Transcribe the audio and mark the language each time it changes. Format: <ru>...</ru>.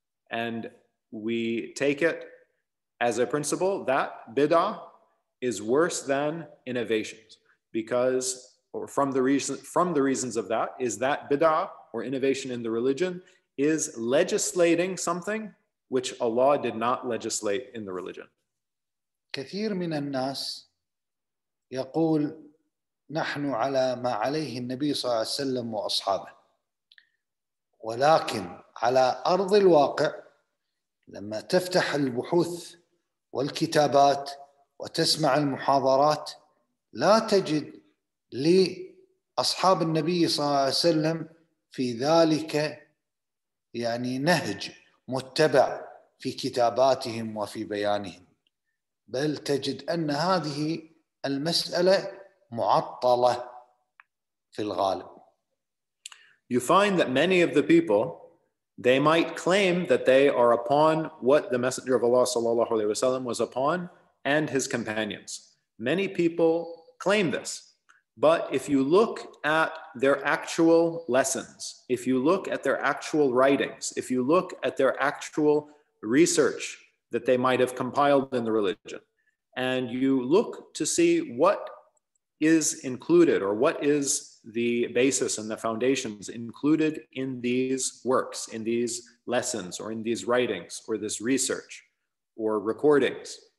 <en>And we take it as a principle that bid'ah is worse than innovations because from the reasons of that is that bid'ah or innovation in the religion is legislating something which Allah did not legislate in the religion.</en> <ar>كثير من الناس يقول نحن على ما عليه النبي صلى الله عليه وسلم وأصحابه ولكن على أرض الواقع لما تفتح البحوث والكتابات وتسمع المحاضرات لا تجد لأصحاب النبي صلى الله عليه وسلم في ذلك يعني نهج متبع في كتاباتهم وفي بيانهم بل تجد أن هذه المسألة معطلة في الغالب</ar> <en>You find that many of the people they might claim that they are upon what the Messenger of Allah sallallahu alaihi wasallam was upon and his companions. Many people claim this. But if you look at their actual lessons, if you look at their actual writings, if you look at their actual research that they might have compiled in the religion, and you look to see what is included or what is the basis and the foundations included in these works, in these lessons or in these writings or this research or recordings,</en>